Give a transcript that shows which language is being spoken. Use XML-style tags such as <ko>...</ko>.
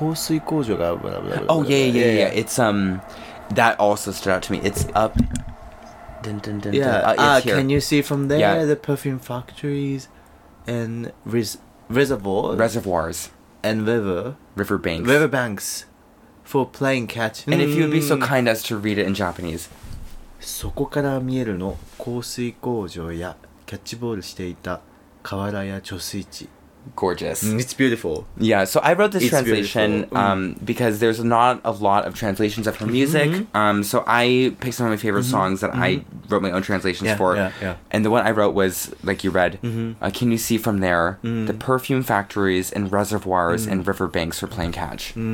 <en>Yeah. It's, that also stood out to me. It's up. It's here. Can you see from there? Yeah. The perfume factories and reservoirs. And riverbanks for playing catch. And if you would be so kind as to read it in Japanese.</en> <ja>そこから見えるの香水工場やキャッチボールしていた河原や貯水池。</ja> <en>Gorgeous. It's beautiful. Yeah, so I wrote this translation because there's not a lot of translations of her music. So I picked some of my favorite songs that I wrote my own translations for. And the one I wrote was, like you read, can you see from there the perfume factories and reservoirs and river banks for playing catch?</en>